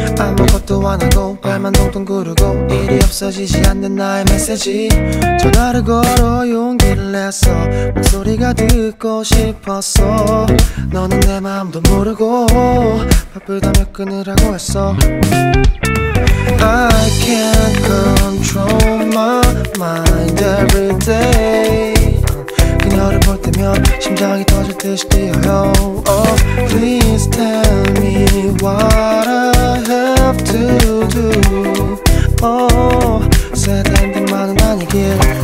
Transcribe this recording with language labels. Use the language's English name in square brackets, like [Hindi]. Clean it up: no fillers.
[Korean] 아무것도 안 하고 발만 동동 구르고 일이 없어지지 않는 나의 메시지. 전화를 걸어 용기를 냈어. 목소리가 듣고 싶었어. 너는 내 마음도 모르고 바쁘다며 끊으라고 했어. [English] I can't control my mind every day. [Korean] 그녀를 볼 때면 심장이 터질 듯이 뛰어요. [English] Oh, please tell me what I have to do. Oh, sad ending [Korean] 만은 아니길.